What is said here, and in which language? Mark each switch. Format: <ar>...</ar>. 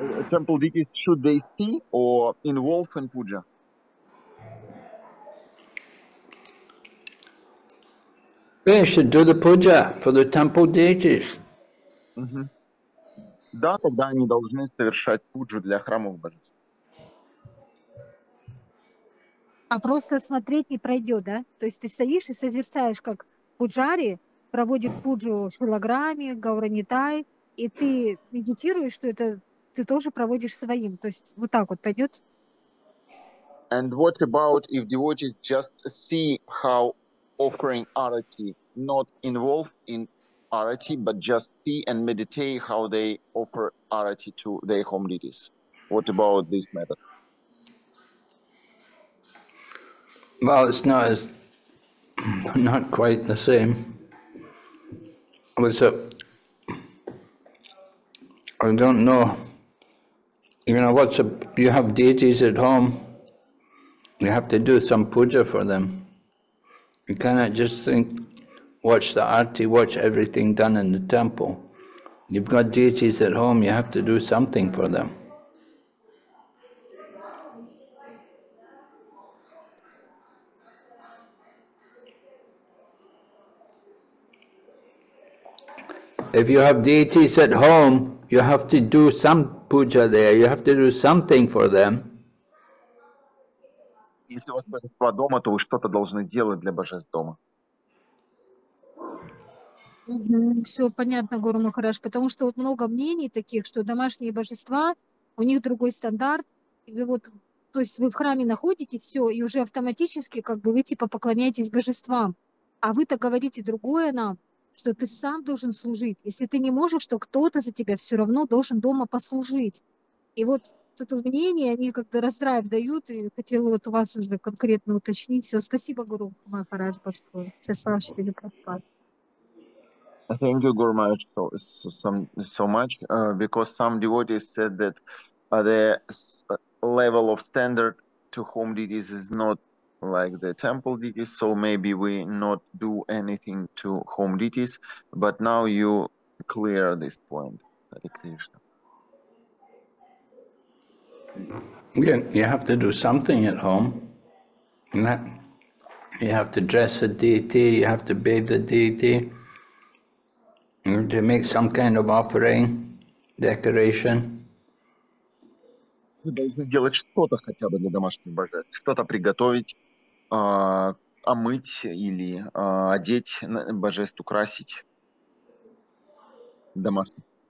<en>Temple deities, should they see or involve in puja? They should do the puja for the temple deities.</en> <ru>Да, тогда они должны совершать пуджу для храмов божеств. А просто смотреть не пройдет, да? То есть ты стоишь и созерцаешь, как пуджари проводит пуджу Шилограмме, Гауранитай, и ты медитируешь, что это ты тоже проводишь своим. То есть вот так вот пойдет?</ru> <en>And what about if devotees just see how offering arati, not involved in arati, but just see and meditate how they offer arati to their home deities? What about this method? Well, it's not quite the same. I don't know. You know what's up? You have deities at home. You have to do some puja for them. You cannot just think, watch the arti, watch everything done in the temple. You've got deities at home. You have to do something for them. If you have deities at home, you have to do some puja there. You have to do something for them.</en> <ru>Если у вас божества дома, то вы что-то должны делать для божеств дома. Все понятно, Гуру Махарадж, потому что вот много мнений таких, что домашние божества, у них другой стандарт. И вот, то есть вы в храме находитесь, все, и уже автоматически как бы вы типа поклоняетесь божествам. А вы-то говорите другое нам, что ты сам должен служить. Если ты не можешь, то кто-то за тебя все равно должен дома послужить. И вот это мнение, они как-то раздрайв дают, и хотела вот у вас уже конкретно уточнить. Все, спасибо, Гуру Махарадж, большое. Сейчас вам прохват.</ru> <en>Thank you, Guru Maharaj, so much, because some devotees said that the level of standard to home deities is not like the temple deities, so maybe we not do anything to home deities, but now you clear this point, Hare Krishna. You have to do something at home. You have to dress a deity, you have to bathe the deity, to make some kind of offering, decoration.</en> <ru>Вы должны делать что-то хотя бы для домашних божеств, что-то приготовить, омыть или одеть божеств, украсить домашний.</ru>